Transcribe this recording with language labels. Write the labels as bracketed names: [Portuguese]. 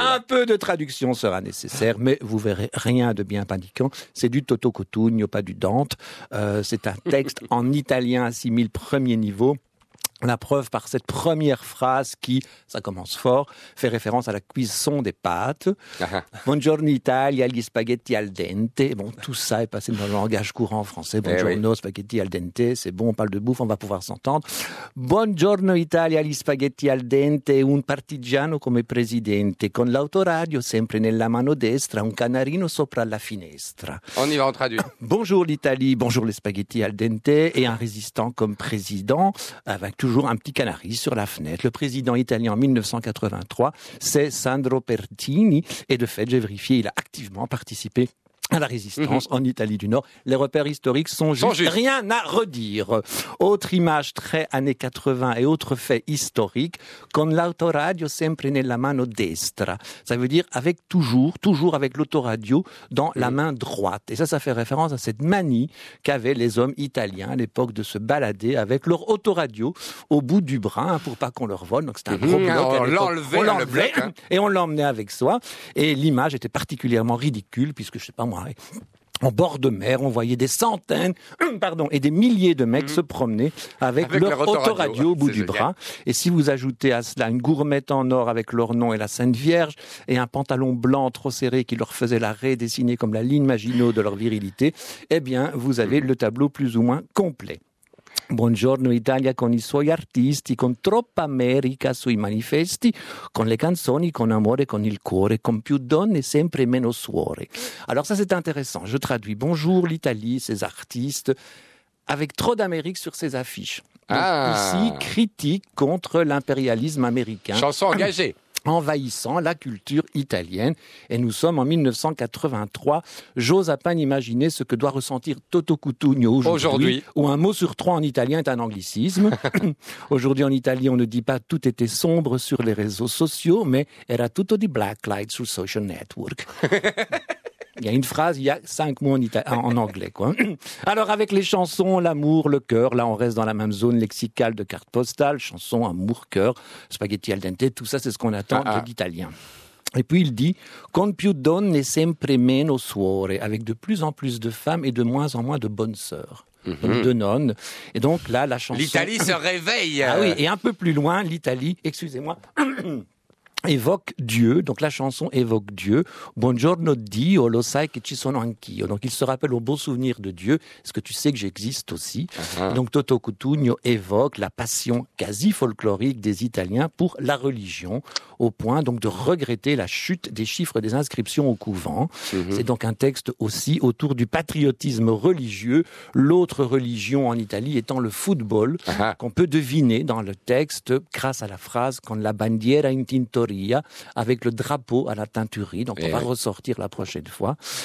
[French] Un peu de traduction sera nécessaire, mais vous verrez rien de bien paniquant. C'est du Toto Cutugno, pas du Dante. C'est un texte en italien à 6000 premiers niveaux. La preuve par cette première phrase qui, ça commence fort, fait référence à la cuisson des pâtes. [Italian] Buongiorno Italia, gli spaghetti al dente. [French] Bon, tout ça est passé dans le langage courant français. [Italian] Buongiorno, spaghetti al dente, [French] c'est bon, on parle de bouffe, on va pouvoir s'entendre. [Italian] Buongiorno Italia, gli spaghetti al dente, un partigiano come presidente, con l'autoradio sempre nella mano destra, un canarino sopra la finestra. [French] On y va, on traduit. Bonjour l'Italie, bonjour les spaghetti al dente, et un résistant comme président, avec toujours un petit canari sur la fenêtre. Le président italien en 1983, c'est Sandro Pertini. Et de fait, j'ai vérifié, il a activement participé à la résistance en Italie du Nord. Les repères historiques sont justes. Rien à redire. Autre image très années 80 et autre fait historique. [Italian] Con l'autoradio sempre nella mano destra. [French] Ça veut dire avec toujours avec l'autoradio dans la main droite. Et ça, ça fait référence à cette manie qu'avaient les hommes italiens à l'époque de se balader avec leur autoradio au bout du bras pour pas qu'on leur vole. Donc c'était un gros bloc. On l'enlevait, le bloc. Et on l'emmenait avec soi. Et l'image était particulièrement ridicule puisque, je sais pas, moi, en bord de mer, on voyait des centaines et des milliers de mecs se promener avec leur autoradio au bout du bras. Et si vous ajoutez à cela une gourmette en or avec leur nom et la Sainte Vierge, et un pantalon blanc trop serré qui leur faisait la raie dessinée comme la ligne Maginot de leur virilité, eh bien, vous avez le tableau plus ou moins complet. [Italian] Buongiorno Italia con i suoi artisti, con troppa America sui manifesti, con le canzoni, con amore, con il cuore, con più donne, sempre meno suore. [French] Alors ça c'est intéressant, je traduis. Bonjour l'Italie, ses artistes, avec trop d'Amérique sur ses affiches. Ah. Ici, critique contre l'impérialisme américain. Chanson engagée. Envahissant la culture italienne. Et nous sommes en 1983. J'ose à peine imaginer ce que doit ressentir Toto Cutugno aujourd'hui. Où un mot sur trois en italien est un anglicisme. Aujourd'hui en Italie, on ne dit pas tout était sombre sur les réseaux sociaux, mais [Italian] era tutto di blacklight sul social network. [French] Il y a une phrase, il y a cinq mots en anglais, quoi. Alors, avec les chansons, l'amour, le cœur, là, on reste dans la même zone lexicale de carte postale. Chanson, amour, cœur, spaghetti al dente, tout ça, c'est ce qu'on attend de l'italien. Et puis, il dit, « [Italian] Con più donne sempre meno suore [French] », avec de plus en plus de femmes et de moins en moins de bonnes sœurs. De nonnes. Et donc, là, la chanson... L'Italie se réveille. Ah oui, et un peu plus loin, l'Italie, excusez-moi... évoque Dieu, donc la chanson évoque Dieu. [Italian] Buongiorno Dio, lo sai che ci sono anch'io. [French] Donc il se rappelle au beau souvenir de Dieu, est-ce que tu sais que j'existe aussi. Donc Toto Cutugno évoque la passion quasi folklorique des Italiens pour la religion, au point donc de regretter la chute des chiffres des inscriptions au couvent. C'est donc un texte aussi autour du patriotisme religieux, l'autre religion en Italie étant le football, qu'on peut deviner dans le texte grâce à la phrase « Quand [Italian] la bandiera in tinto [French] » avec le drapeau à la teinturerie, donc on va ressortir la prochaine fois.